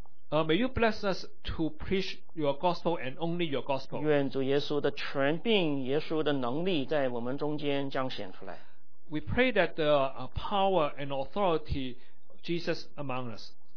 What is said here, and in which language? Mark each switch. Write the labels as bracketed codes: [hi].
[en] May you bless us to preach your gospel and only your gospel. [zh] 愿主耶稣的权柄、耶稣的能力在我们中间彰显出来。 [en] We pray that the power and authority Jesus among us.